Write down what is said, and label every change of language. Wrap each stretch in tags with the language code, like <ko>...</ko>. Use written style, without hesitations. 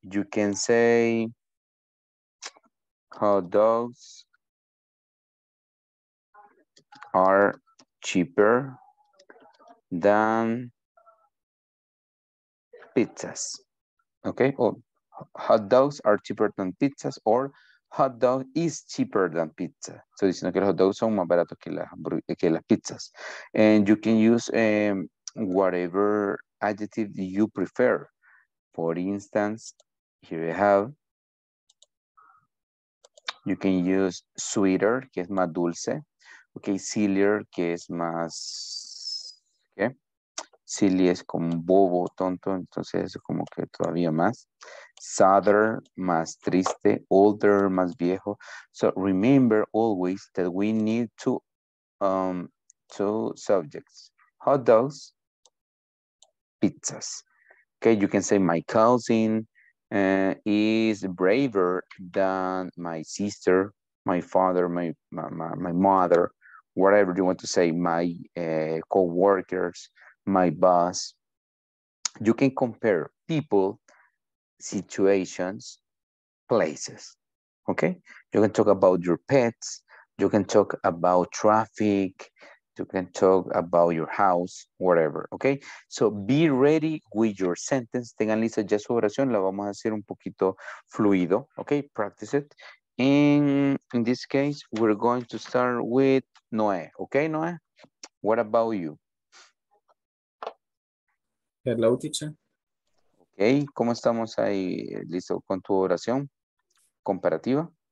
<en>You can say hot dogs are cheaper than pizzas. Okay. Oh, hot dogs are cheaper than pizzas, or hot dog is cheaper than pizza.</en> <es>So diciendo que los hot dogs son más baratos que las pizzas.</es> <en>And you can use whatever adjective you prefer. For instance, here we have, you can use sweeter,</en> <es>que es más dulce. Okay, sillier, que es más, okay. Silly es como bobo, tonto, entonces es como que todavía más. Sadder, más triste. Older, más viejo.</es> <en>So remember always that we need two subjects. Hot dogs, pizzas. Okay, you can say my cousin is braver than my sister, my father, my mother, whatever you want to say, my co-workers, my boss. You can compare people, situations, places. Okay, you can talk about your pets, you can talk about traffic, You can talk about your house, whatever, okay? So be ready with your sentence.</en> <es>Tengan lista ya su oración, la vamos a hacer un poquito fluido, okay?</es> <en>Practice it. In this case, we're going to start with Noé, okay, Noé? What about you? Hello, teacher.</en> <es>Okay, ¿cómo estamos ahí? ¿Listo con tu oración comparativa?</es>